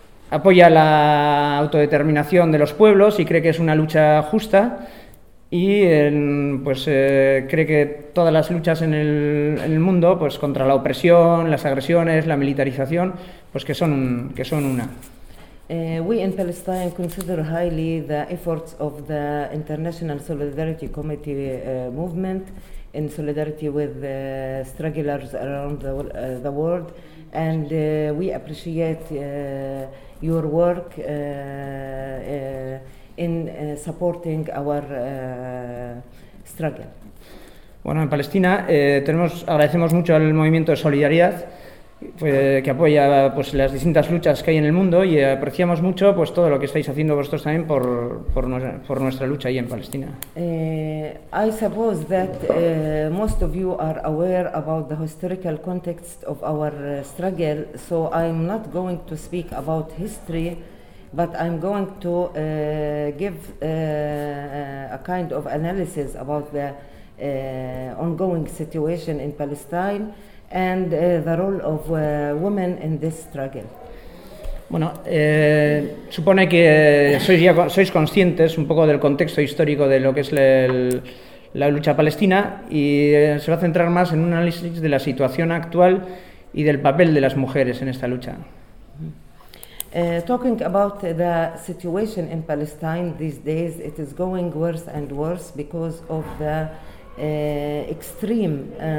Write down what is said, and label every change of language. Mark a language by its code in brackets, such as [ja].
[es] Apoya la autodeterminación de los pueblos y cree que es una lucha justa. Y pues cree que todas las luchas en el mundo, pues contra la opresión, las agresiones, la militarización, pues que son una. [en] We in Palestine consider highly the efforts of the International Solidarity Committee movement in solidarity with strugglers around the world, and we appreciate your work in supporting our struggle. [es] Bueno, en Palestina agradecemos mucho al movimiento de solidaridad que apoya pues las distintas luchas que hay en el mundo y apreciamos mucho pues todo lo que estáis haciendo vosotros también por nuestra lucha ahí en Palestina. [en] I suppose that most of you are aware about the historical context of our struggle, so I'm not going to speak about history, but I'm going to give a kind of analysis about the ongoing situation in Palestine and the role of women in this struggle. [es] Bueno, supone que sois ya conscientes un poco del contexto histórico de lo que es la lucha palestina y se va a centrar más en un análisis de la situación actual y del papel de las mujeres en esta lucha. [en] Talking about the situation in Palestine these days, it is going worse and worse because of the extreme